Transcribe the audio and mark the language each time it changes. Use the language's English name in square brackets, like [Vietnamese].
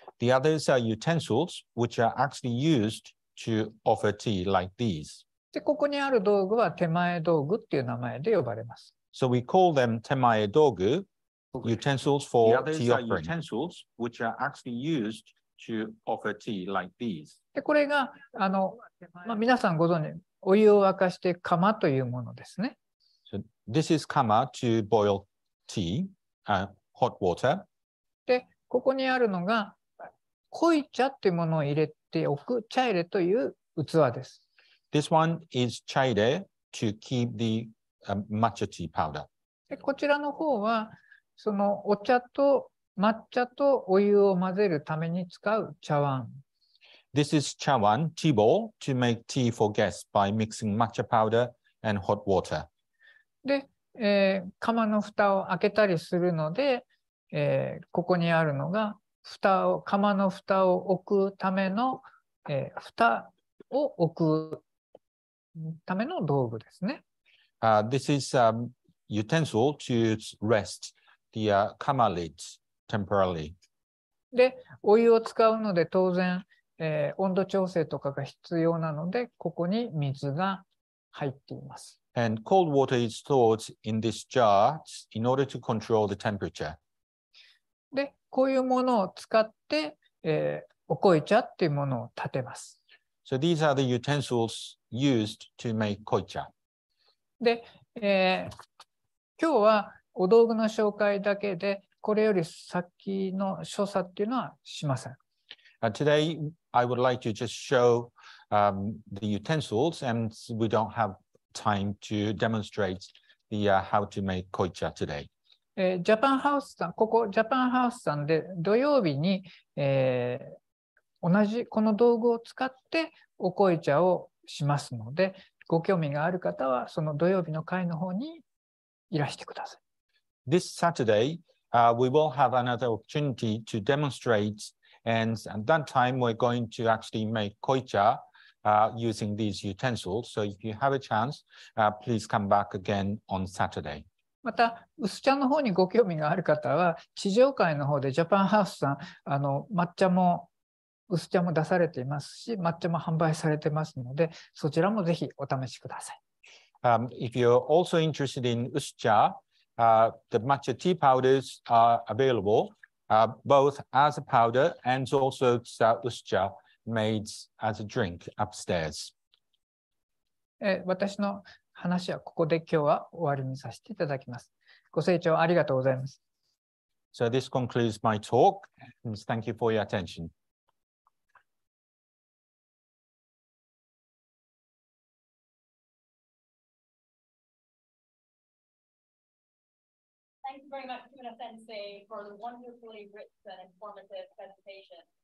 [English] The others are utensils, which are actually used to offer tea like these. [Japanese] で、ここにある道具は手前道具っていう名前で呼ばれます。 [English] So we call them 手前道具, utensils for tea offering. The others are utensils, which are actually used to offer tea like these. [Japanese] で、これが、まあ、皆さんご存知、お湯を沸かして釜というものですね。 [English] So this is 釜 to boil tea, hot water. [Japanese] で、ここにあるのが、濃い茶っていうものを入れておく茶入れという器です。 [English] This one is 茶入れ to keep the matcha tea powder. [Japanese] で、こちらの方は、そのお茶と抹茶とお湯を混ぜるために使う茶碗。 [English] This is 茶碗, tea bowl, to make tea for guests by mixing matcha powder and hot water. [Japanese] で、釜の蓋を開けたりするので、ここにあるのが、釜の蓋を置くための、蓋を置くための道具ですね。 [English] This is a utensil to rest the kama lid temporarily. [Japanese] で、お湯を使うので当然、温度調整とかが必要なので、ここに水が入っています。 [English] And cold water is stored in this jar in order to control the temperature. [Japanese] で、こういうものを使って、お濃茶っていうものを立てます。 [English] So these are the utensils used to make 濃茶。 [Japanese] で、今日はお道具の紹介だけで、これより先の所作っていうのはしません。 [English] Today, I would like to just show, the utensils, and we don't have time to demonstrate the, how to make 濃茶 today. [Japanese] ジャパンハウスさん、ここジャパンハウスさんで土曜日に、同じこの道具を使ってお濃茶をしますので、ご興味がある方はその土曜日の会の方にいらしてください。 [English] This Saturday, we will have another opportunity to demonstrate, and at that time we're going to actually make 濃茶, using these utensils. So if you have a chance, please come back again on Saturday. [Japanese] また、薄茶の方にご興味がある方は、地上階の方でジャパンハウスさん、抹茶も薄茶も出されていますし、抹茶も販売されていますので、そちらもぜひお試しください。 [English] If you're also interested in 薄茶, the matcha tea powders are available, both as a powder and also 薄茶 made as a drink upstairs. [Japanese] 私の話はここで今日は終わりにさせていただきます。ご清聴ありがとうございます。 [English] So this concludes my talk and thank you for your attention. Thank you very much, Kimura Sensei, for the wonderfully rich and informative presentation.